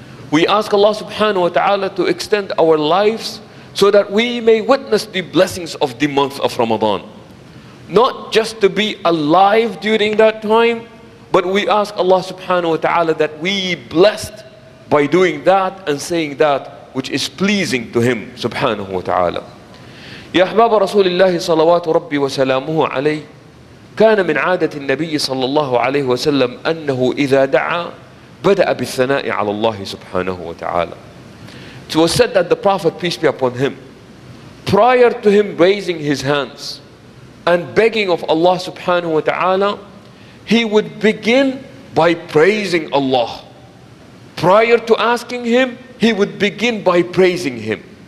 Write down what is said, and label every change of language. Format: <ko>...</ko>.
<en>We ask Allah subhanahu wa ta'ala to extend our lives so that we may witness the blessings of the month of Ramadan. Not just to be alive during that time, but we ask Allah subhanahu wa ta'ala that we be blessed by doing that and saying that which is pleasing to Him subhanahu wa ta'ala.</en> <ar>يا أحباب رسول الله صلوات ربي وسلامه عليه كان من عادة النبي صلى الله عليه وسلم أنه إذا دعا بدأ بالثناء على الله سبحانه وتعالى.</ar> <en>It was said that the Prophet, peace be upon him, prior to him raising his hands and begging of Allah subhanahu wa ta'ala, he would begin by praising Allah. Prior to asking him, he would begin by praising him.</en>